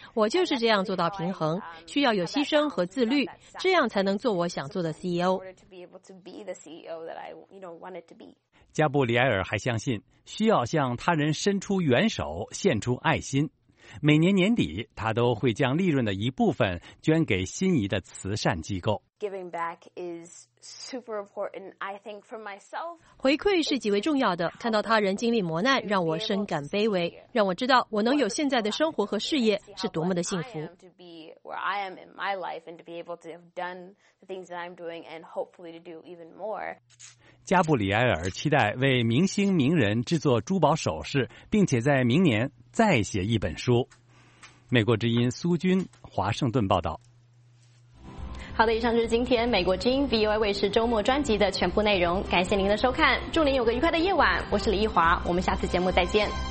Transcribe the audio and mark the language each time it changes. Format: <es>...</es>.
<zh>我就是这样做到平衡，需要有牺牲和自律，这样才能做我想做的 CEO。加布里埃尔还相信需要向他人伸出援手、献出爱心，每年年底，他都会将利润的一部分捐给心仪的慈善机构。</zh> <en>Giving back is super important, I think, for myself.</en> <zh>回馈是极为重要的。看到他人经历磨难，让我深感卑微，让我知道我能有现在的生活和事业是多么的幸福。</zh> <en>To be where I am in my life and to be able to have done the things that I'm doing and hopefully to do even more.</en> <zh>加布里埃尔期待为明星名人制作珠宝首饰，并且在明年再写一本书。美国之音苏军华盛顿报道。好的，以上就是今天美国之音 VOA 卫视周末专辑的全部内容，感谢您的收看，祝您有个愉快的夜晚，我是李逸华，我们下次节目再见。</zh>